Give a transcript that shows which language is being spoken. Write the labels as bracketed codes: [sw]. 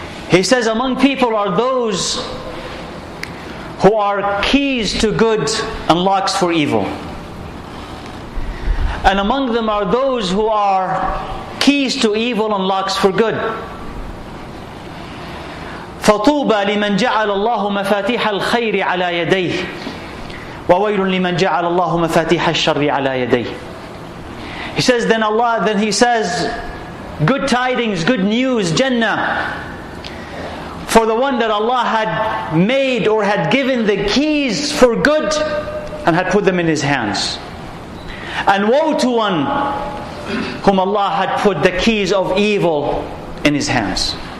[en] He says, among people are those who are keys to good and locks for evil. And among them are those who are keys to evil and locks for good. [ar] فطوبى لمن جعل الله مفاتيح الخير على يديه وويل لمن جعل الله مفاتيح الشر على يديه. [en] He says, then Allah, then He says, good tidings, good news, Jannah, for the one that Allah had made or had given the keys for good and had put them in his hands. And woe to one whom Allah had put the keys of evil in his hands.